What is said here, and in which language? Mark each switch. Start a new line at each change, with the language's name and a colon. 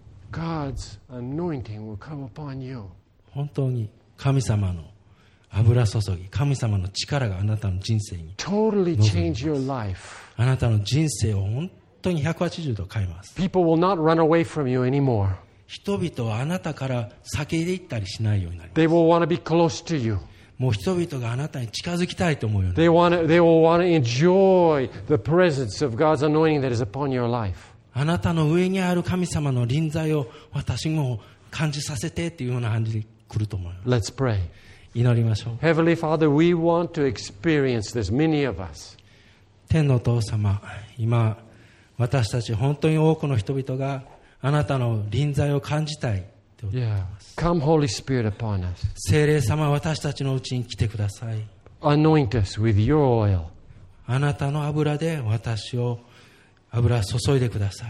English: God's anointing will come upon you.
Japanese: 本当に神様の油注ぎ、神様の力があなたの人生に
English: totally change your life.
Japanese: あなたの人生を本当に180度変えます。
English: People will not run away from you anymore.
Japanese: 人々はあなたから避け入ったりしないようになります。もう人々があなたに近づきたいと思うようになります。あなたの上にある神様の臨在を私も感じさせてというような感じで来ると思います。
English: Let's pray.
Japanese: 祈りましょう。
English: Heavenly Father, we want to experience this, many of us.
Japanese: 天のお父様、今私たち本当に多くの人々が。あなたの臨在を感じたいと思います。
English: Come Holy Spirit upon us.
Japanese: 聖霊様、私たちのうちに来てください。
English: Anoint us with your oil.
Japanese: あなたの油で私を油注いでください。